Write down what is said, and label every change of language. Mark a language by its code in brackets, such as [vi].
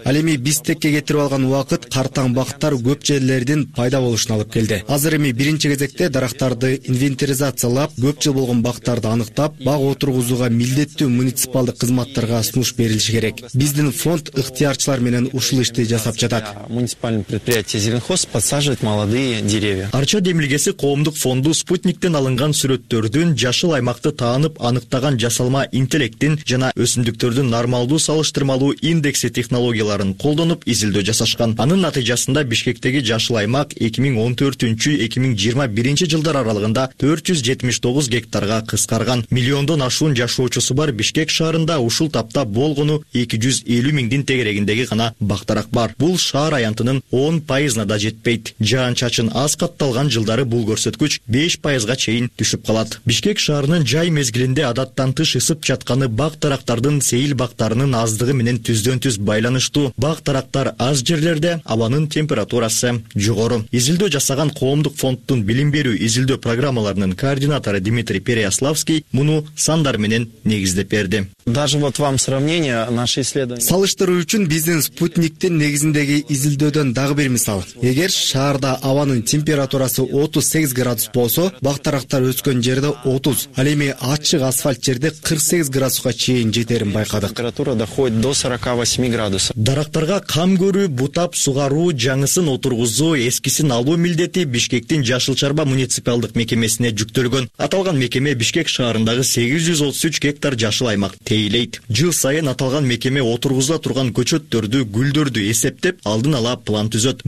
[ky] Ал эми биз текке кетирип алган убакыт картаң бактар көп жерде лердин пайда болушун алып келди. Азыр эми биринчи кезекте дарактарды инвентаризациялап, көп жыл болгон бактарды аныктап, бак отургузууга милдеттүү муниципалдык кызматтарга сунуш берилиши керек. Биздин фонд ыктыярчылар менен ушул ишти жасап жатат. [ru] Муниципальный предприятие Зеленхоз подсаживает молодые деревья. [ky] Арча демилгеси коомдук фонду спутниктен алынган сүрөттөрдүн жашыл аймакты таанып аныктаган жасалма интеллекттин жана өсүмдүктөрдүн нормалдуу салыштырмалуу индекси технологияларын колдонуп изилдөө жасашкан. Анын натыйжасында Бишкектеги жашыл аймак 2014-2021 жылдар аралыгында 479 гектарга кыскарган. Миллиондон ашуун жашоочусу бар Бишкек шаарында ушул тапта болгону 250 миңдин тегерегиндеги гана бактарак бар. Бул шаар аянтынын 10%на да жетпейт. Жаан чачын аз катталган жылдары бул көрсөткүч 5%га чейин түшүп калат. Бишкек шаарынын жай мезгилинде адаттан тыш ысып жатканы бак тарактардын сейил бактарынын аздыгы менен түздөн-түз байланыштуу. Бак тарактар аз жерлерде абанын температурасы жогору. Изилдөө жасаган коомдук фонддун билим берүү изилдөө программаларынын координатору Дмитрий Переяславский муну сандар менен негиздеп берди. [ru] Даже вот вам сравнение наши исследования. [ky] Салыштыруу үчүн биздин спутниктин негизиндеги изилдөөдөн дагы бир мисал. Эгер шаарда абанын температурасы 38 градус болсо, бак тарактар өскөн жерде 30, ал эми ачык асфальт жерде 48 градуска чейин жетерин байкадык. [ru] Температура доходит до 48 градусов. [ky] Дарактарга кам көрүү, бутап, сугаруу, жаңысын отургузуу, эскисин алуу милдети Бишкектин жашыл чарба муниципалдык мекемесине жүктөлгөн. Аталган мекеме Бишкек шаарындагы 833 гектар жашыл аймак тейлейт. Жыл сайын аталган мекеме отургузула турган көчөттөрдү, гүлдөрдү эсептеп, алдын ала план түзөт.